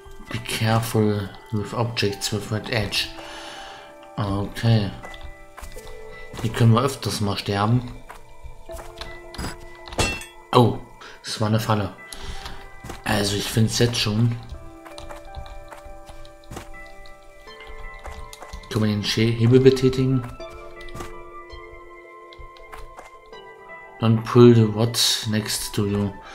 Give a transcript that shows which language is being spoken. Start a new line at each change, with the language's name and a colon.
English: Be careful with objects with red edge. Okay.
German: Hier können wir öfters mal sterben. Oh, das war eine Falle. Also ich finde es jetzt schon. Können wir den Hebel betätigen?
English: Dann pull the rod next to you.